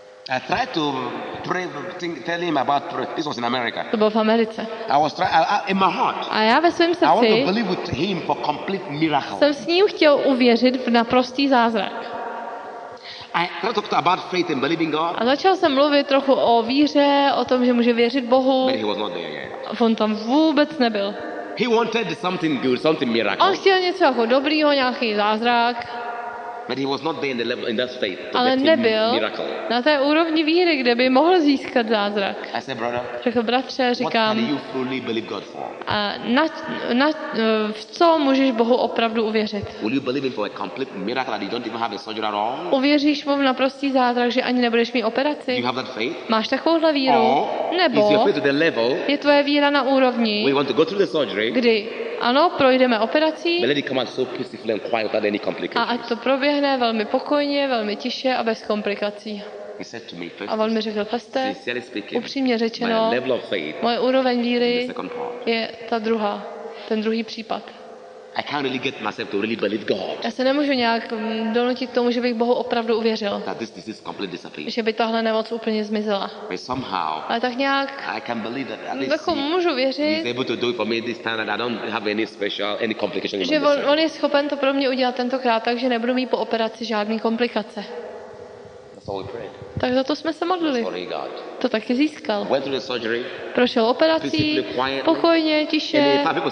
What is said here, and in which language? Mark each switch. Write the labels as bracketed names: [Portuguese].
[English] I tried to pray, tell him about prayer. This was in America. [Czech] To bylo v Americe. [English] I was trying in my heart. [Czech] A já ve svém srdci. [English] I want to believe with him for complete miracle. [Czech] Jsem s ním chtěl uvěřit v naprostý zázrak. [English] I tried to talk about faith and believing God. [Czech] A začal jsem mluvit trochu o víře, o tom, že může věřit Bohu. [English] But he was not there yet. [Czech] On tam vůbec nebyl. [English] He wanted something good, something miracle. [Czech] On chtěl něco jako dobrýho, nějaký zázrak. [English] But he was not there in the level in that faith. [Czech] Ale nebyl na té úrovni víry, kde by mohl získat zázrak. [English] I said, brother, [Czech] řekl bratře, říkám, [English] what can you truly believe God for? [Czech] A na v co můžeš Bohu opravdu uvěřit? [English] Will you believe him for a complete miracle that you don't even have a surgery at all? [Czech] Uvěříš mu v naprostý zázrak, že ani nebudeš mít operaci? [English] Do you have that faith? [Czech] Máš takovouhle víru? Nebo [English] is your faith to the level? [Czech] Je tvoje víra na úrovni? [English] We want to go through the surgery. [Czech] Kdy? Ano, projdeme operací. [English] But let it come out so peacefully and quiet without any complications. [Czech] A ať to proběhne velmi pokojně, velmi tiše a bez komplikací. [English] He said to me, first, [Czech] a on mi řekl, Feste, upřímně řečeno, [English] my level of faith, [Czech] moje úroveň víry je ta druhá, ten druhý případ. [English] I can't really get myself to really believe God. [Czech] Já se nemůžu nějak donutit k tomu, že bych Bohu opravdu uvěřil. [English] That this is completely disappeared. [Czech] Že by tahle nemoc úplně zmizela. [English] But somehow, [Czech] ale tak nějak. [English] I can believe that. [Czech] No, tak můžu věřit. [English] He's able to do it for me this time that I don't have any special any complications. [Czech] Že on je schopen to pro mě udělat tentokrát, takže nebudu mít po operaci žádné komplikace. Tak za to jsme se modlili. To taky získal. Prošel operací, pokojně, tiše.